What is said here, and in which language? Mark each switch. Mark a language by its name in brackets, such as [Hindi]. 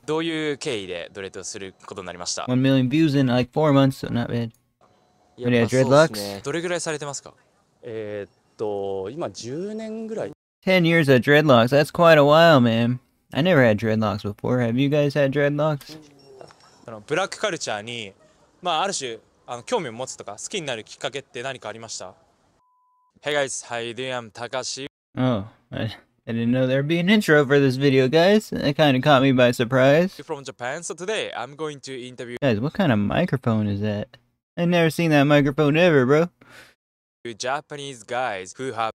[Japanese] どういう経緯でドレッドすることになりました? [English] 1 million views in like 4 months, so not bad. But yeah, Dreadlocks. [Japanese] どれぐらいされてますか? 今10年ぐらい。 [English] 10 years of Dreadlocks, that's quite a while, man. I never had Dreadlocks before. Have you guys had Dreadlocks? [Japanese] ブラックカルチャーに、まあ、ある種、興味を持つとか、好きになるきっかけって何かありました? [English] Hey guys, how you doing? I'm Takashii. Oh, I didn't know there'd be an intro for this video, guys. That kind of caught me by surprise. From Japan, so today I'm going to interview. Guys, what kind of microphone is that? I've never seen that microphone ever, bro. Japanese guys who have.